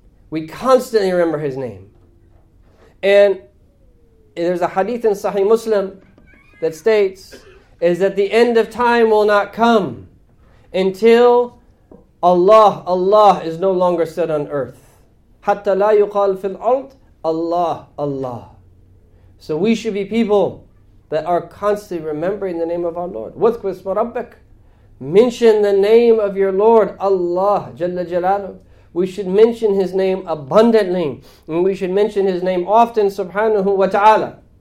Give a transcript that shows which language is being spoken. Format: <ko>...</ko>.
<en>We constantly remember His name. And there's a hadith in Sahih Muslim that states is that the end of time will not come until Allah, Allah is no longer said on earth.</en> <ar>حَتَّى لَا يُقَالْ فِي الْأَرْضِ Allah, Allah.</ar> <en>So we should be people that are constantly remembering the name of our Lord.</en> <ar>وَذْكُرِ اسْمَ رَبَّكَ</ar> <en>Mention the name of your Lord, Allah,</en> <ar>جَلَّ جَلَالُهُ.</ar> <en>We should mention His name abundantly. And we should mention His name often, subhanahu wa ta'ala.</en>